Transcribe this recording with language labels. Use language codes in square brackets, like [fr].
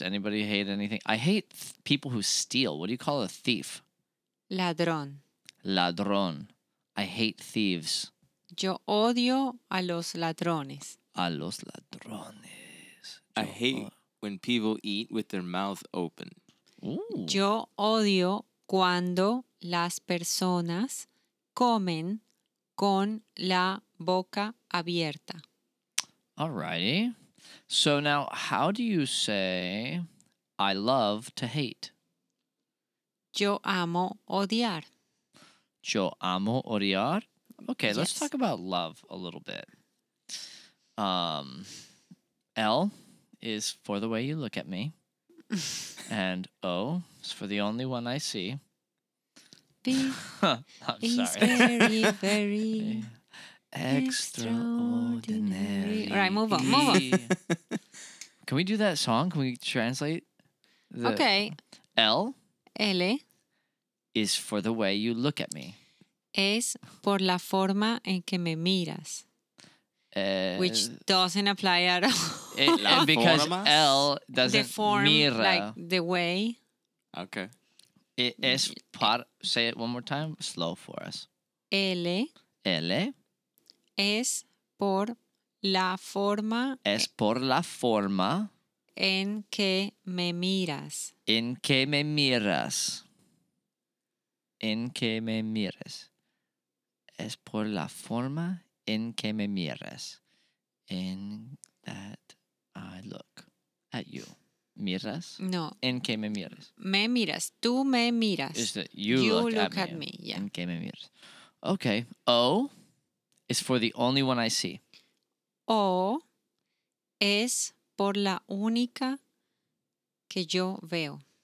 [en] Anybody hate anything? I hate people who steal. What do you call a thief? [es] Ladrón. [en] Ladrón. I hate thieves. [es] Yo odio a los ladrones. A los ladrones. [en] I hate when people eat with their mouth open. Ooh. [es] Yo odio cuando las personas comen con la boca abierta. [en] Alrighty. So now, how do you say I love to hate? [es] Yo amo odiar. Yo amo odiar? [en] Okay, yes. Let's talk about love a little bit. L is for the way you look at me. And O is for the only one I see. B I'm is very, very extraordinary. All right, move on. Can we do that song? Can we translate? Okay. L. L. Is for the way you look at me. [es] Es por la forma en que me miras. [en] Which doesn't apply at all. It, because formas? L doesn't the form, [es] mira. [en] Like the way. Okay. It is par, say it one more time, slow for us. L. L. [es] Es por la forma. Es por la forma. En que me miras. En que me miras. En que me mires. Es por la forma en que me mires. [en] En that I look at you. Miras? [es] No. En que me mires. Me miras. Tú me miras. [en] You look at me. Yeah. [es] En que me mires. Okay. [en] O is for the only one I see. [es] O es por la única que yo veo.